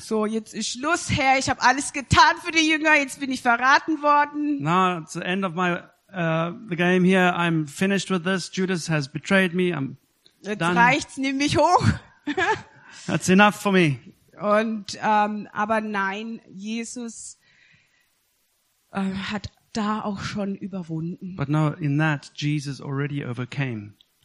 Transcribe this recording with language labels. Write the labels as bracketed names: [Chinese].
[German] So, jetzt ist Schluss, Herr. Ich habe alles getan für die Jünger. Jetzt bin ich verraten worden. [English] Now it's the end of my the game here. I'm finished with this. Judas has betrayed me. I'm [German] jetzt [English] done. [German] Reicht's, nimm mich hoch. [English] That's enough for me. [German] Und aber nein, Jesus hat da auch schon überwunden. [English] But no, in that Jesus already overcame.